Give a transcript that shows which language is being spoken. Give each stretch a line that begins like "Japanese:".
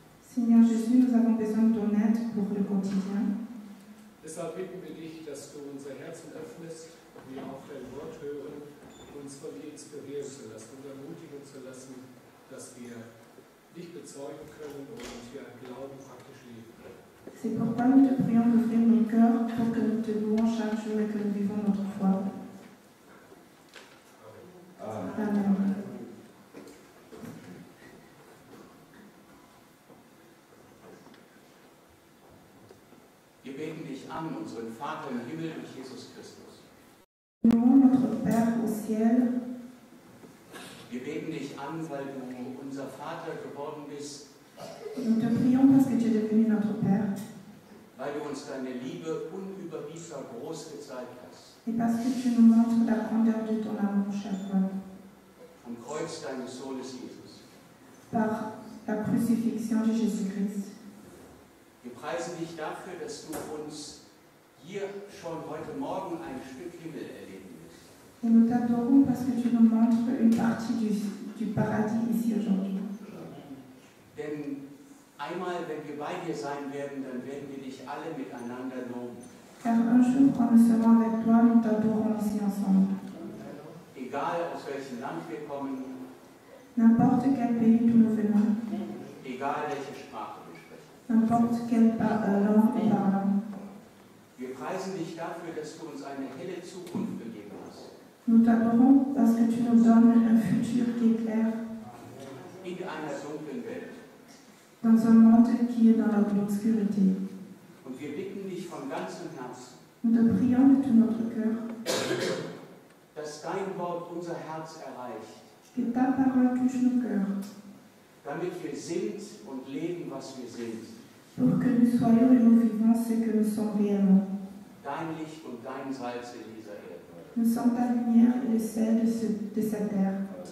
French: Seigneur Jésus, nous avons besoin de ton aide pour le quotidien.
German: Deshalb bitten wir dich, dass du unser Herzen öffnest, wir auf dein Wort hören, uns von dir inspirieren zu lassen und ermutigen zu lassen, dass wir dich bezeugen können und wir Glauben praktisch leben können.
French: C'est pourquoi nous te prions d'ouvrir nos cœurs pour que nous te louons chaque jour et que nous vivons notre foi. Amen.
German: Wir beten dich an, unseren Vater im Himmel durch Jesus Christus.
French: Notre Père au ciel.
German: Wir beten dich an, weil du unser Vater geworden bist.
French: Nous te prions parce que tu es devenu notre Père.
German: Weil du uns deine Liebe unüberwiegend groß gezeigt hast.
French: Et parce que tu nous montres la grandeur de ton amour chaque fois.
German: Vom Kreuz deines Sohnes Jesus.
French: Par la crucifixion de Jésus-Christ.
German: Wir preisen dich dafür, dass du uns hier schon heute Morgen ein Stück Himmel erleben wirst.
French: Et nous t'adorons parce que tu nous montres une partie du paradis ici aujourd'hui.
German: Denn einmal, wenn wir bei dir sein werden, dann werden wir dich alle miteinander loben.
French: Car un jour, quand nous serons avec toi, nous t'adorons ici ensemble.
German: Egal aus welchem Land wir kommen.
French: N'importe quel pays d'où nous venons.
German: Egal welche Sprache wir sprechen.
French: N'importe quel langue nous parlons.
German: Wir preisen dich dafür, dass du uns eine helle Zukunft gegeben hast.
French: Nous t'adorons parce que tu nous donnes un futur qui éclaire.
German: In einer dunklen Welt.
French: Dans un monde qui est dans l'obscurité.
German: Und wir bitten dich von ganzem Herzen.
French: Nous te prions de tout notre cœur.
German: Dass dein Wort unser Herz erreicht.
French: Que ta parole touche nos cœurs.
German: Damit wir sind und leben, was wir sind.
French: Pour que nous soyons et nous vivons ce que nous sommes réellement.
German: Dein Licht und dein Salz in dieser Erde.
French: Nous sommes ta lumière et le sel de cette terre.